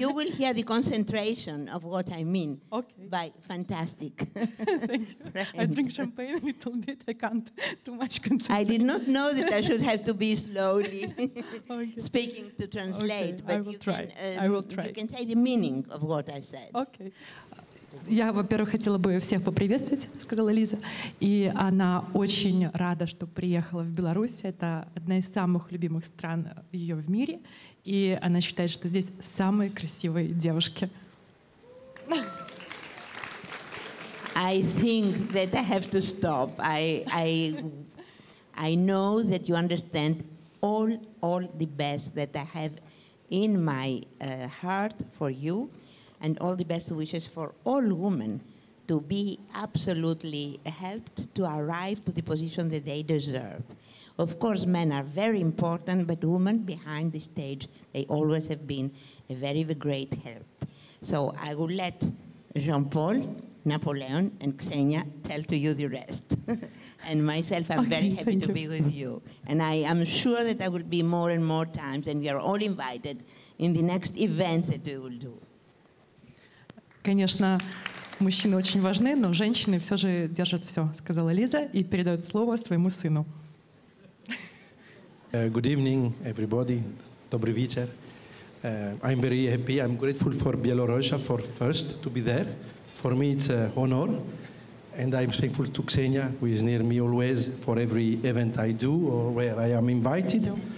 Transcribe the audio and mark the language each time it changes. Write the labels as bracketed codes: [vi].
[en] You will hear the concentration of what I mean. Okay. By fantastic. Thank you. I drink champagne a little bit. I can't too much concentrate. I did not know that I should have to be slowly okay. speaking to translate. Okay. But I will you try. Can, I will try. You can say the meaning of what I said. Okay. [ru] Я, во-первых, хотела бы всех поприветствовать, сказала Лиза. И она очень рада, что приехала в Беларусь. Это одна из самых любимых стран ее в мире. И она считает, что здесь самые красивые девушки. [en] I think that I have to stop. I know that you understand all the best that I have in my heart for you. And all the best wishes for all women to be absolutely helped to arrive to the position that they deserve. Of course, men are very important, but women behind the stage, they always have been a very, very great help. So I will let Jean-Paul, Napoleon, and Xenia tell to you the rest. And myself, I'm okay, very happy to you. Be with you. And I am sure that I will be more and more times, and we are all invited in the next events that we will do. [ru] Конечно, мужчины очень важны, но женщины все же держат все, сказала Лиза и передает слово своему сыну. [en] Good evening, everybody. [ru] Добрый вечер. [en] I'm very happy. I'm grateful for Bielorussia for first to be there. For me it's an honor. And I'm thankful to Xenia, who is near me always for every event I do or where I am invited.